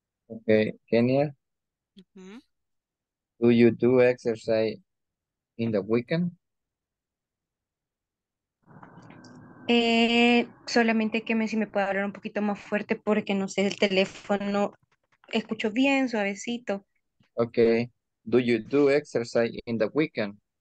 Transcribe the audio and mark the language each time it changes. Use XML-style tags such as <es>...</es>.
<en>Okay, Kenya, mm-hmm. Do you do exercise in the weekend?</en> <es>Solamente que me, si me puede hablar un poquito más fuerte porque no sé, el teléfono escucho bien, suavecito.</es> <en>Okay, do you do exercise in the weekend?</en>